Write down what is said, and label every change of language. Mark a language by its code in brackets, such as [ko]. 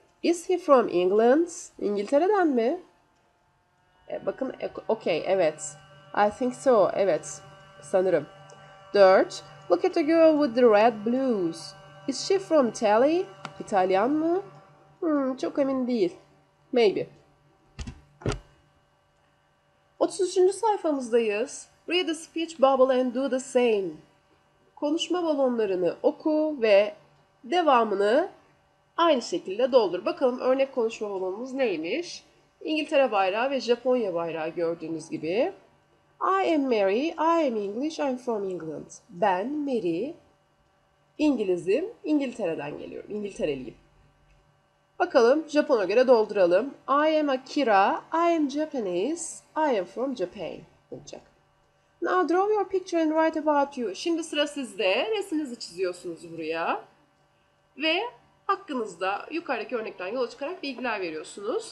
[en] Is he from England? [tr] İngiltere'den mi? Bakın, [en] okay, [tr] evet. [en] I think so. [tr] Evet. Sanırım. [en] 4. Look at the girl with the red blues. Is she from Italy? [tr] İtalyan mı? Çok emin değil. [en] Maybe. [tr] 33. sayfamızdayız. [en] Read the speech bubble and do the same. [tr] Konuşma balonlarını oku ve devamını aynı şekilde doldur. Bakalım örnek konuşma balonumuz neymiş? İngiltere bayrağı ve Japonya bayrağı gördüğünüz gibi. [en] I am Mary, I am English, I'm from England. [tr] Ben Mary, İngilizim, İngiltere'den geliyorum, İngiltereliyim. Bakalım Japon'a göre dolduralım. [en] I am Akira, I am Japanese, I am from Japan [tr] olacak. [en] Now draw your picture and write about you. [tr] Şimdi sıra sizde, resminizi çiziyorsunuz buraya. Ve hakkınızda yukarıdaki örnekten yola çıkarak bilgiler veriyorsunuz.